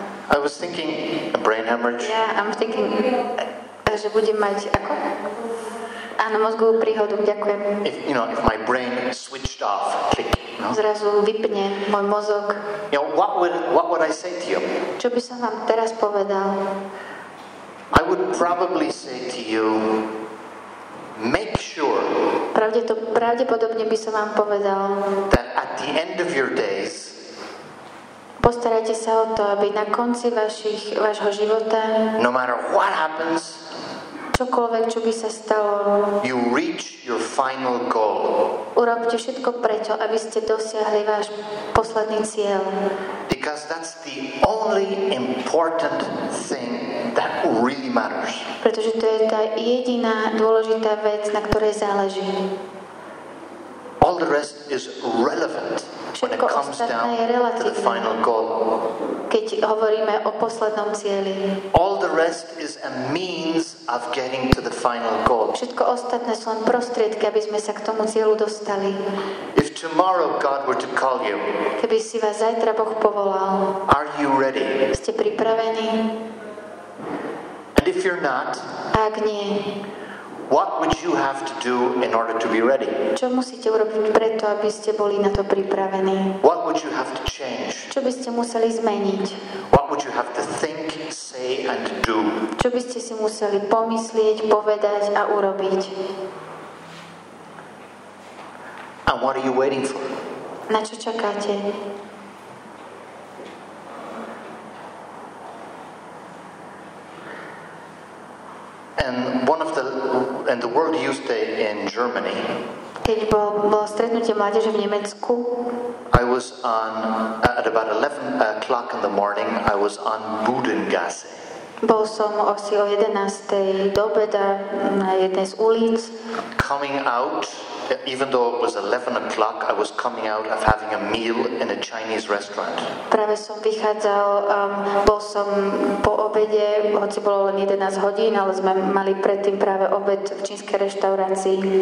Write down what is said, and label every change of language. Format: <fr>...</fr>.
<en>I was thinking a brain hemorrhage. Yeah, I'm thinking</en> <sk>že budem mať ako? Áno, mozgovú príhodu, ďakujem.</sk> <en>If, you know, if my brain switched off, click.</en> <sk>No? Zrazu vypne môj mozog.</sk> <en>You know, what would I say to you?</en> <sk>Čo by som vám teraz povedal?</sk> <en>I would probably say to you, make sure.</en> <sk>Pravdepodobne by som vám povedal.</sk> <en>That at the end of your days.</en> <sk>Postarajte sa o to, aby na konci vášho života.</sk> <en>No matter what happens.</en> <sk>Čokoľvek, čo by sa stalo.</sk> <en>You reach your final goal.</en> <sk>Urobte všetko preto, aby ste dosiahli váš posledný cieľ.</sk> <en>Because that's the only important thing that really matters.</en> <sk>Pretože to je tá jediná dôležitá vec, na ktorej záleží.</sk> <en>All the rest is relevant when it comes down to the final goal.</en> <sk>Keď hovoríme o poslednom cieli.</sk> <en>All the rest is a means of getting to the final goal.</en> <sk>Všetko ostatné sú len prostriedky, aby sme sa k tomu cieľu dostali.</sk> <en>If tomorrow God were to call you.</en> <sk>Keby si vás zajtra Boh povolal.</sk> <en>Are you ready?</en> <sk>Ste pripravení?</sk> <en>And if you're not.</en> <sk>Ak nie.</sk> <en>What would you have to do in order to be ready?</en> <sk>Čo musíte urobiť preto, aby ste boli na to pripravení?</sk> <en>What would you have to change?</en> <sk>Čo by ste museli zmeniť?</sk> <en>What would you have to think, say and do?</en> <sk>Čo by ste si museli pomyslieť, povedať a urobiť?</sk> <en>And what are you waiting for?</en> <sk>Na čo čakáte?</sk> <en>And one of the and the World Youth Day in Germany.</en> <sk>Keď bolo stretnutie mládeže v Nemecku.</sk> <en>I was on at about 11 o'clock in the morning. I was on Budengasse.</en> <sk>Bol som asi o 11:00 do obeda na jednej z ulic.</sk> <en>Coming out, even though it was 11 o'clock, I was coming out of having a meal in a Chinese restaurant.</en> <sk>Práve som vychádzal, bol som po obede, hoci bolo len 11 hodín, ale sme mali predtým práve obed v čínskej reštaurácii.</sk>